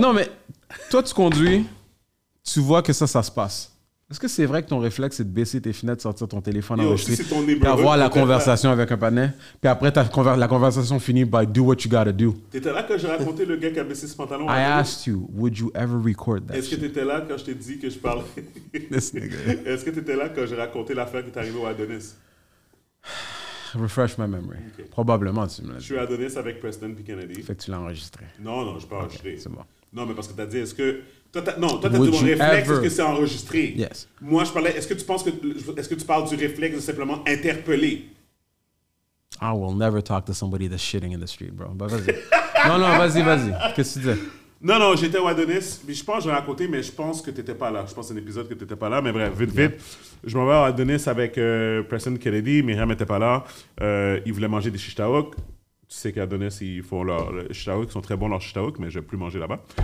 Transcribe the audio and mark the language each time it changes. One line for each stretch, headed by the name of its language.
French: Non, mais toi, tu conduis, tu vois que ça se passe. Est-ce que c'est vrai que ton réflexe, c'est de baisser tes fenêtres, sortir ton téléphone, enregistrer, d'avoir la conversation avec un panneau, puis après, la conversation finit
English: by do what you gotta do?
French: T'étais là quand j'ai raconté le gars qui a baissé ce pantalon?
English: I asked you, would you ever record that?
French: Est-ce que t'étais là quand je t'ai dit que je parlais? Est-ce que t'étais là quand j'ai raconté l'affaire qui est arrivée au Adonis?
English: Refresh my memory. Okay.
French: Probablement, tu me l'as dit. Je suis Adonis avec Preston puis Kennedy. Fait que tu l'as enregistré. Non, je peux enregistrer. C'est bon. Non, mais parce que t'as dit, est-ce que... Toi, t'as dit mon réflexe, est-ce que c'est enregistré?
English: Yes.
French: Moi, je parlais, est-ce que tu parles du réflexe de simplement interpeller?
English: I will never talk to somebody that's shitting in the street, bro.
French: Bah, vas-y. Non, vas-y. Qu'est-ce que tu dis? Non, j'étais au Adonis, puis je pense que j'ai raconté, mais je pense que t'étais pas là. Je pense que c'est un épisode que t'étais pas là, mais bref, vite. Je m'en vais au Adonis avec Preston Kennedy, Myriam était pas là. Il voulait manger des shishtaouk. Tu sais qu'à Adonis, ils font leurs shishtaouk, ils sont très bons leurs shishtaouk, mais je vais plus manger là-bas.